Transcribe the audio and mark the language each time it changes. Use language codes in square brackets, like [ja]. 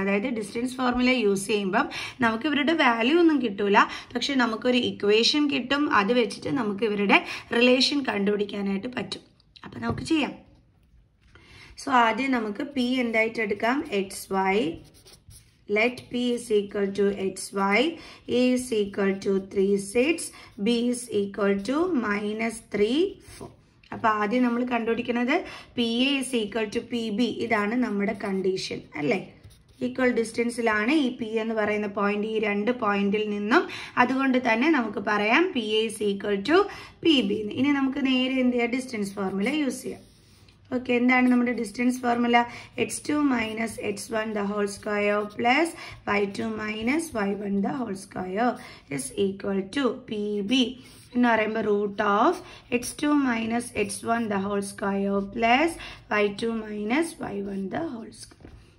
[ml] അതായത് distance formula use ചെയ്യുമ്പം നമുക്ക് ഇവരുടെ വാല്യൂ ഒന്നും കിട്ടൂല, പക്ഷെ നമുക്കൊരു ഇക്വേഷൻ കിട്ടും, അത് വെച്ചിട്ട് നമുക്ക് ഇവരുടെ റിലേഷൻ കണ്ടുപിടിക്കാനായിട്ട് പറ്റും. അപ്പം നമുക്ക് ചെയ്യാം. സോ ആദ്യം നമുക്ക് പി എന്തായിട്ട് എടുക്കാം, X Y. [en] Let P is equal to XY, A is equal to 3, 6, B is equal to -3, 4. [ml] അപ്പോൾ ആദ്യം നമ്മൾ കണ്ടുപിടിക്കുന്നത് P A is equal to P B, ഇതാണ് നമ്മുടെ കണ്ടീഷൻ അല്ലേ. ഈക്വൽ ഡിസ്റ്റൻസിലാണ് ഈ പി എന്ന് പറയുന്ന പോയിന്റ് ഈ രണ്ട് പോയിന്റിൽ നിന്നും. അതുകൊണ്ട് തന്നെ നമുക്ക് പറയാം P A is equal to P B. ഇനി നമുക്ക് നേരെ എന്ത് ചെയ്യാം, ഡിസ്റ്റൻസ് ഫോർമുല യൂസ് ചെയ്യാം. ഓക്കെ, എന്താണ് നമ്മുടെ distance formula, X to minus X one the whole square plus Y to minus Y one the whole square is equal to P B എന്ന് പറയുമ്പോൾ root of X to minus X one the whole square plus Y to minus Y one the whole square.